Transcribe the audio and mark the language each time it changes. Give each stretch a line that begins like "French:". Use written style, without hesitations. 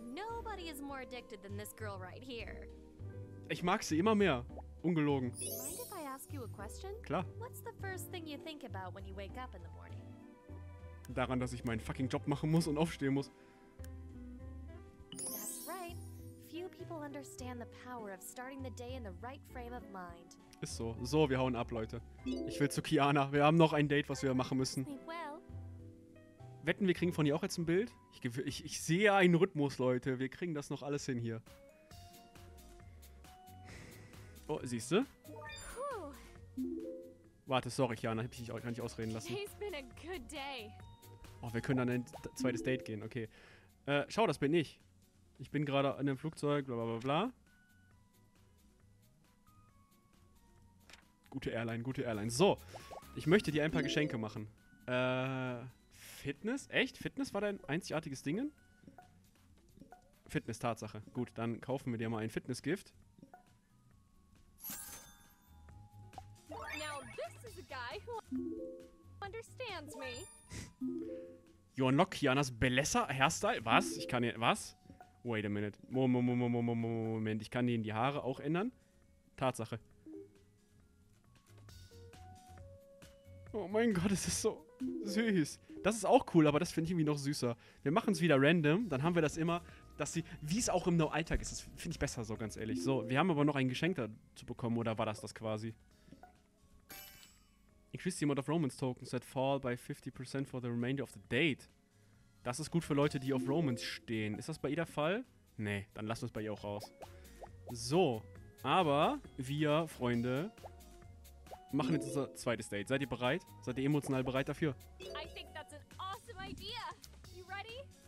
English: Nobody is more addicted than this girl right here.
German: Ich mag sie immer mehr, ungelogen.
English: Mind if I ask you a question?
German: Klar.
English: What's the first thing you think about when you wake up in the morning?
German: Daran, dass ich meinen fucking Job machen muss und aufstehen muss.
English: That's right. Few people understand the power of starting the day in the right frame of mind.
German: Ist so. So, wir hauen ab, Leute. Ich will zu Kiana. Wir haben noch ein Date, was wir machen müssen. Wetten, wir kriegen von ihr auch jetzt ein Bild? Ich sehe einen Rhythmus, Leute. Wir kriegen das noch alles hin hier. Oh, siehst du? Warte, sorry, Kiana. Hab ich dich auch gar nicht ausreden lassen.
English: It's been a good day.
German: Oh, wir können dann ein zweites Date gehen, okay. Schau, das bin ich. Ich bin gerade in einem Flugzeug, bla bla bla bla. Gute Airline, gute Airline. So, ich möchte dir ein paar Geschenke machen. Fitness? Echt? Fitness war dein einzigartiges Ding? Fitness, Tatsache. Gut, dann kaufen wir dir mal ein Fitnessgift.
English: Now this is a guy who understands me.
German: Your Nokianas Belesser Hairstyle? Was? Ich kann hier, was?
English: Wait a minute.
German: Moment, ich kann denen die Haare auch ändern. Tatsache. Oh mein Gott, es ist so süß. Das ist auch cool, aber das finde ich irgendwie noch süßer. Wir machen es wieder random, dann haben wir das immer, dass sie, wie es auch im No-Alltag ist, das finde ich besser so, ganz ehrlich. So, wir haben aber noch ein Geschenk dazu bekommen, oder war das das quasi?
English: Increase the amount of romance tokens that fall by 50% for the remainder of the date.
German: Das ist gut für Leute, die auf Romance stehen. Ist das bei ihr der Fall? Nee, dann lass uns bei ihr auch raus. So, aber wir, Freunde, machen jetzt unser zweites Date. Seid ihr bereit? Seid ihr emotional bereit dafür?
English: I think that's an awesome idea. You ready?